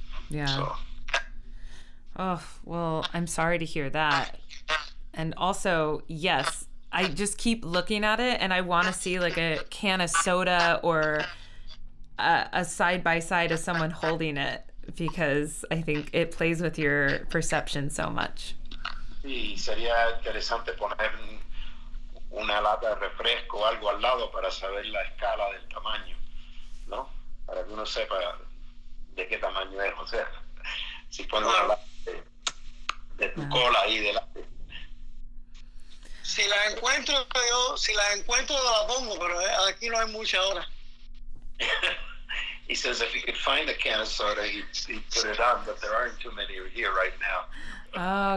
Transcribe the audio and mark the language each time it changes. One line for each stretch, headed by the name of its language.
English: Yeah. So. Oh, well, I'm sorry to hear that. And also, yes, I just keep looking at it and I want to see like a can of soda or a side-by-side of someone holding it, because I think it plays with your perception so much.
Spanish: Sí, sería interesante poner una lata de refresco o algo al lado para saber la escala del tamaño, ¿no? Para que uno sepa de qué tamaño es, o sea, si pone una lata de tu cola ahí delante. Si la encuentro, la pongo, pero aquí no hay mucha hora.
English: He says if he could find a can of soda, he'd put it on, but there aren't too many here right now.